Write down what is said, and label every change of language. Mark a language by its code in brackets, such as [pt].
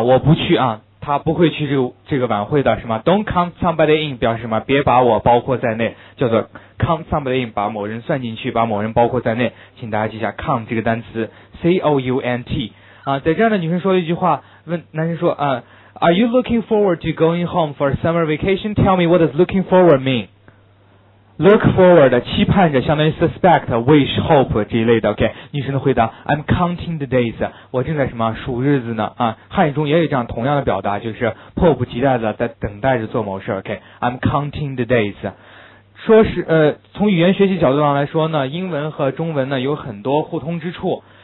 [zh] 我不去啊，她不会去这个晚会的，是吗？ Don't count somebody in 表示什么？别把我包括在内，叫做 count somebody in，把某人算进去，把某人包括在内。请大家记下 count 这个单词， C-O-U-N-T。在这样的女生说了一句话，问男生说 Are you looking forward to going home for summer vacation? [en] Tell me what does looking forward mean? [zh] Look forward, 期盼着，相当于 suspect, wish, hope 这一类的。 OK， 女生的回答， I'm counting the days, 我正在什么数日子呢。汉语中也有这样同样的表达，就是迫不及待的在等待着做某事。 [en] OK， I'm counting the days。 [zh] 说是从语言学习角度上来说呢，英文和中文呢有很多互通之处。